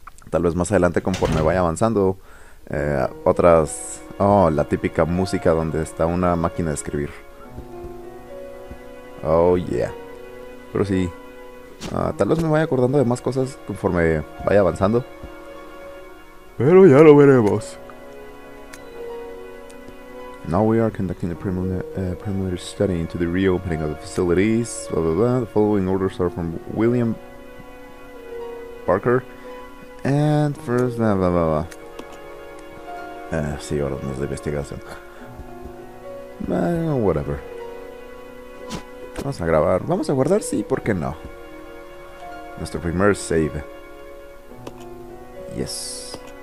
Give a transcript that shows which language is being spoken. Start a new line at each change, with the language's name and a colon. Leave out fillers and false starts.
Spanish: Tal vez más adelante, conforme vaya avanzando, otras. Oh, la típica música donde está una máquina de escribir. Oh, yeah. Pero sí. Tal vez me vaya acordando de más cosas conforme vaya avanzando. Pero ya lo veremos.
English: Now we are conducting a preliminary study into the reopening of the facilities. Blah, blah, blah. The following orders are from William Parker. And first, blah, blah, blah, blah.
Spanish: Sí, órdenes de investigación. Whatever. Vamos a grabar. Vamos a guardar, sí, ¿por qué no? Nuestro primer save. Yes.